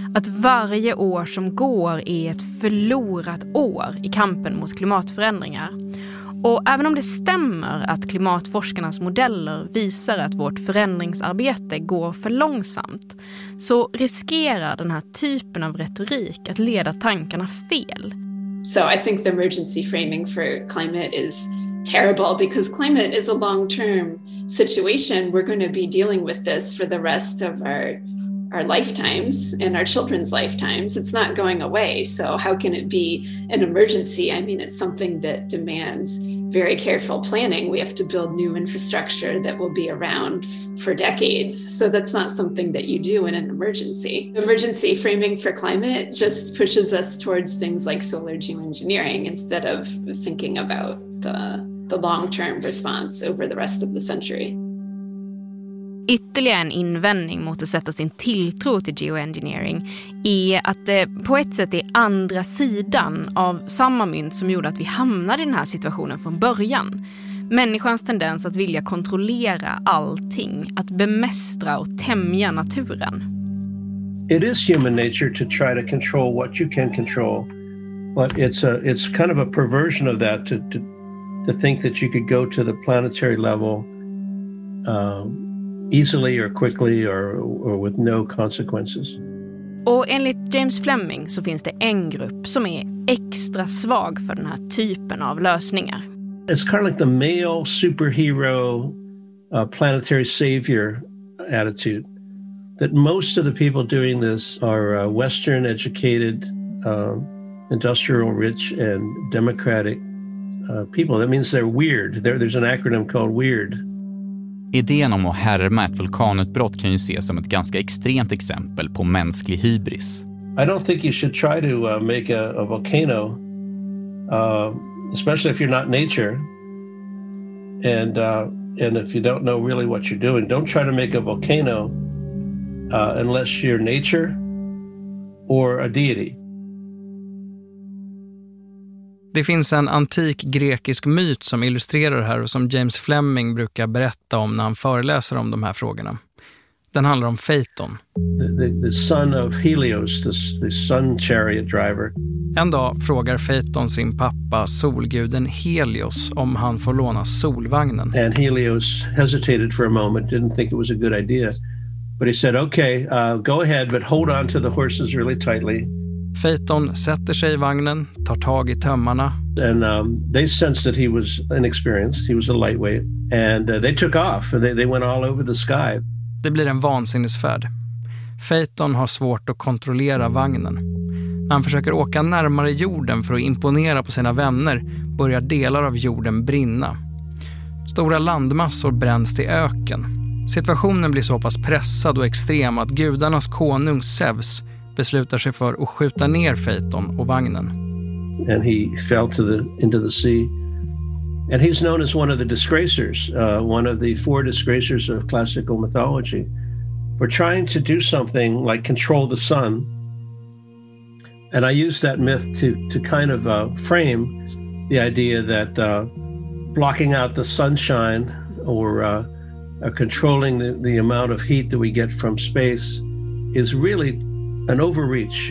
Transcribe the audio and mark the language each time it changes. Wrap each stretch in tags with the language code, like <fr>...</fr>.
<sv>Att varje år som går är ett förlorat år i kampen mot klimatförändringar. Och även om det stämmer att klimatforskarnas modeller visar att vårt förändringsarbete går för långsamt, så riskerar den här typen av retorik att leda tankarna fel.</sv> <en>So I think the emergency framing for climate is terrible because climate is a long-term situation. We're going to be dealing with this for the rest of our lifetimes and our children's lifetimes. It's not going away. So how can it be an emergency? I mean, it's something that demands very careful planning. We have to build new infrastructure that will be around for decades. So that's not something that you do in an emergency. Emergency framing for climate just pushes us towards things like solar geoengineering instead of thinking about the long-term response over the rest of the century.</en> <sv>Ytterligare en invändning mot att sätta sin tilltro till geoengineering är att det på ett sätt är andra sidan av samma mynt som gjorde att vi hamnade i den här situationen från början. Människans tendens att vilja kontrollera allting, att bemästra och tämja naturen.</sv> <en>It is human nature to try to control what you can control. But it's kind of a perversion of that to think that you could go to the planetary level easily or quickly or with no consequences.</en> <sv>Och enligt James Fleming så finns det en grupp som är extra svag för den här typen av lösningar.</sv> <en>It's kind of like the male superhero planetary savior attitude, that most of the people doing this are Western educated, industrial rich and democratic people. That means they're weird. There's an acronym called WEIRD.</en> <sv>Idén om att härma ett vulkanutbrott kan ju ses som ett ganska extremt exempel på mänsklig hybris.</sv> <en>I don't think you should try to make a volcano, especially if you're not nature. And if you don't know really what you're doing, don't try to make a volcano unless you're nature or a deity.</en> <sv>Det finns en antik grekisk myt som illustrerar det här och som James Fleming brukar berätta om när han föreläser om de här frågorna. Den handlar om Phaeton.</sv> <en>The son of Helios, the sun chariot driver.</en> <sv>En dag frågar Phaeton sin pappa, solguden Helios, om han får låna solvagnen.</sv> <en>And Helios hesitated for a moment, didn't think it was a good idea. But he said, okay, go ahead, but hold on to the horses really tightly.</en> <sv>Phaeton sätter sig i vagnen, tar tag i tömmarna.</sv> <en>And they sensed that he was inexperienced, he was a lightweight. And they took off, they went all over the sky.</en> <sv>Det blir en vansinnesfärd. Phaeton har svårt att kontrollera vagnen. När han försöker åka närmare jorden för att imponera på sina vänner börjar delar av jorden brinna. Stora landmassor bränns till öken. Situationen blir så pass pressad och extrem att gudarnas konung Zeus beslutar sig för att skjuta ner Phaeton och vagnen.</sv> <en>And he fell to the into the sea. And he's known as one of the disgracers, one of the four disgracers of classical mythology, for trying to do something like control the sun. And I use that myth to kind of frame the idea that blocking out the sunshine or controlling the amount of heat that we get from space is really an overreach.</en>